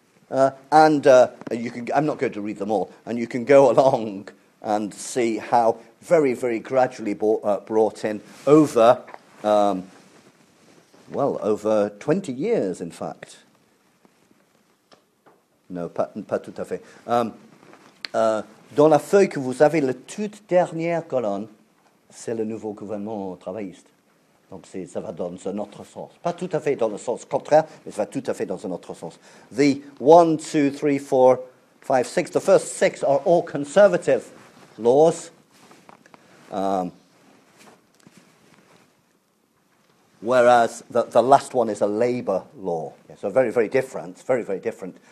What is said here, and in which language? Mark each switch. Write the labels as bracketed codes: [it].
[en] I'm not going to read them all, and you can go along and see how very, very gradually brought in over 20 years, in fact. [fr] No, pas tout à fait. Dans la feuille que vous avez, la toute dernière colonne, c'est le nouveau gouvernement travailliste. Donc ça va dans un autre sens. Pas tout à fait dans le sens contraire, mais ça va tout à fait dans un autre sens. [en] The 1, 2, 3, 4, 5, 6, the first six are all conservative laws. Whereas the last one is a labour law. Yeah, so very, very different, very, very different.